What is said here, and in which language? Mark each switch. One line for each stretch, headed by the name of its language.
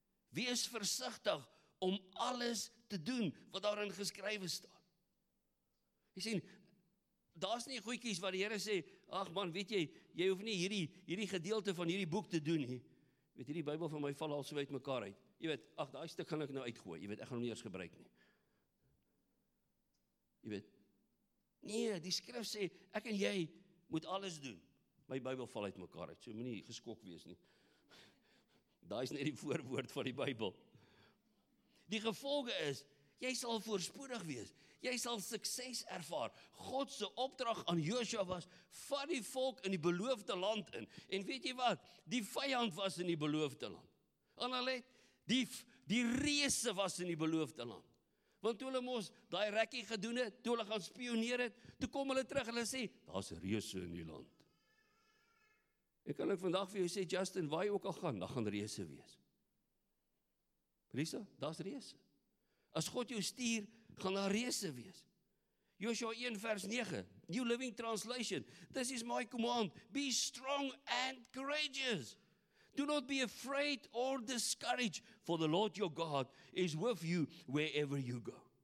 Afrikaans: Wees versigtig om alles te doen wat daarin geskrywe staan. Jy sien, daar is nie goeikies wat die Here sê, ach man, weet jy, jy hoef nie hierdie gedeelte van hierdie boek te doen nie. Weet jy, die Bybel van my val al so uit mekaar uit. Jy weet, ach, daai stuk kan ek nou uitgooi. Jy weet, ek gaan hom nie eers gebruik nie. Jy weet, nee, die skrif sê, ek en jy moet alles doen. My Bybel val uit mekaar uit, so moet nie geskok wees nie. Daai is net die voorwoord van die Bybel. Die gevolge is, jy sal voorspoedig wees. Jy sal sukses ervaar. God se opdrag aan Joshua was, vat die volk in die beloofde land in. En weet jy wat? Die vyand was in die beloofde land. En hulle het, die reëse was in die beloofde land. Want toe hulle mos daai rekkie gedoen het, toe hulle gaan spioneer het, toe kom hulle terug en hulle sê, daar's reëse in die land. Ek kan ek vandag vir jou sê, Justin, waar jy ook al gaan, daar gaan reëse wees. Risa, daar's reëse. As God jou stuur, gaan daar reëse wees. Joshua 1 vers 9, New Living Translation.
English: This is my command, be strong and courageous. Do not be afraid or discouraged, for the Lord your God is with you wherever you go.